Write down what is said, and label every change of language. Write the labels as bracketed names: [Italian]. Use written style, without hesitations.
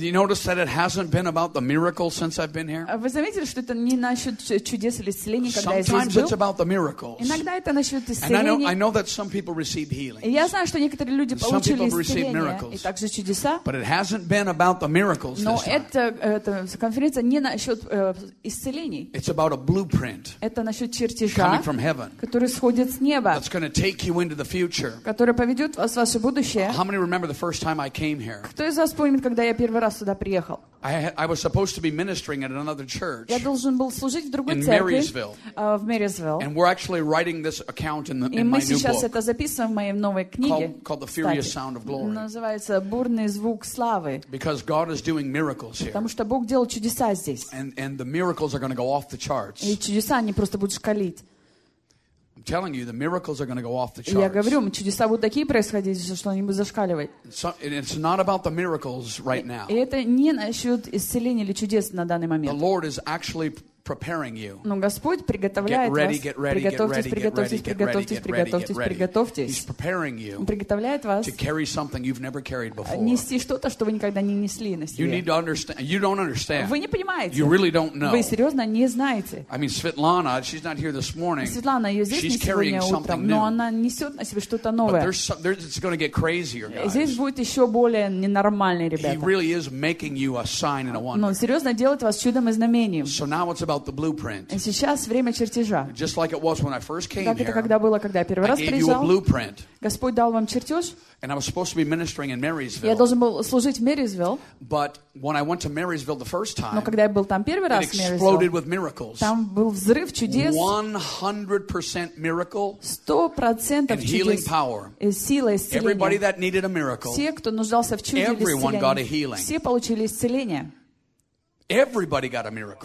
[English] You notice that it hasn't been about the miracle since I've been here? [Russian] Вы заметили, что это не насчет чудес или исцелений, когда я здесь был? [English] Sometimes it's about the miracles. [Russian] Иногда это насчет исцелений. [English] And I know that some people receive healing. [Russian] Я знаю, что некоторые люди получили исцеление. [English] Some people receive miracles. [Russian] И также чудеса. [English] But it hasn't been about the miracles. [Russian] Но эта конференция не насчет исцелений. [English] It's about a blueprint. [Russian] Это насчет чертежа, [English] coming from heaven, [Russian] который сходит с неба. [English] That's going to take you into the future. [Russian] Который поведет вас в ваше будущее. [English] How many remember the first time I came here? [Russian] Кто из вас помнит, когда я первый раз сюда приехал? [English] I was supposed to be ministering at another church. [Russian] Я должен был служить в другой [English] in [Russian] церкви. [English] Marysville. [Russian] В Marysville. [English] And we're actually writing this account in the in my new book. [Russian] И мы сейчас это записываем в моей новой книге. [English] Called the Furious Sound of Glory. [Russian] Называется «Бурный звук славы». [English] Because God is doing miracles here. [Russian] Потому что Бог делает чудеса здесь. [English] And the miracles are going to go off the charts. [Russian] И чудеса они просто будут шкалить. [English] I'm telling you, the miracles are going to go off the charts. [Russian] Я говорю, чудеса будут такие происходить, что они будут зашкаливать. [English] So, it's not about the miracles right now. [Russian] И это не насчет исцеления или чудес на данный момент. [English] The Lord is actually preparing you. [Russian] Но Господь приготовляет [English] get ready, [Russian] вас. [English] Get ready, [Russian] приготовьтесь, [English] get ready, get ready, get ready, get ready, get ready, [Russian] приготовьтесь. [English] He's preparing you. [Russian] Он приготовляет вас. [English] To carry something you've never carried before. [Russian] Нести что-то, что вы никогда не несли на себе. [English] You need to understand. You don't understand. [Russian] Вы не понимаете. [English] You really don't know. [Russian] Вы серьезно не знаете. [English] I mean, Svetlana, she's not here this morning. [Russian] Светлана ее здесь [English] she's [Russian] не сегодня утром, но она несет на себе что-то новое. [English] But it's going to get crazier, guys. [Russian] Здесь будет еще более ненормальный, ребята. [English] He really is making you a sign and a wonder. [Russian] Но он серьезно делает вас чудом и знамением. [English] So now it's about out the blueprint. [Russian] И сейчас время чертежа. [English] Just like it was when I first came here. [Russian] Как это когда было, когда я первый раз приезжал. [English] I gave you a blueprint. [Russian] Господь дал вам чертеж. [English] And I was supposed to be ministering in Marysville. [Russian] Я должен был служить в Marysville. [English] But when I went to Marysville the first time. [Russian] Но когда я был там первый раз в [English] Marysville. It exploded with miracles. [Russian] Там был взрыв чудес. [English] 100% miracle. [Russian] 100% чудес. [English] And healing power. [Russian] И сила исцеления. [English] Everybody that needed a miracle. [Russian] Все, кто нуждался в чуде, [English] everyone got a healing. [Russian] Все получили исцеление. [English] Everybody got a miracle.